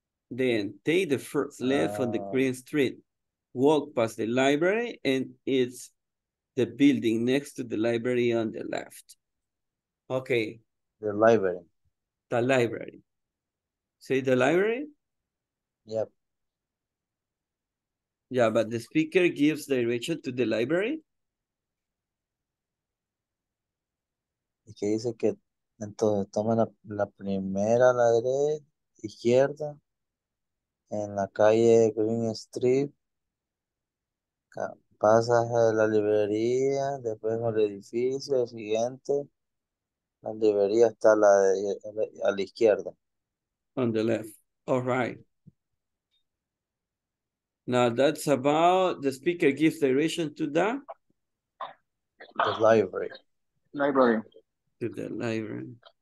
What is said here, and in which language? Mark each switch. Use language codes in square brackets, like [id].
[en] Then take the first left on the Green Street, walk past the library, and it's the building next to the library on the left. Okay. The library. The library. Say the library? Yep. Yeah, but the speaker gives direction to the library? [es] Okay, dice que entonces toma la primera, la derecha, izquierda. En la calle Green Street, pasas a la librería, después al edificio, el siguiente, la librería está a la izquierda. [en] On the left. All right. Now that's about, the speaker gives direction to that? The library. Library. To the library.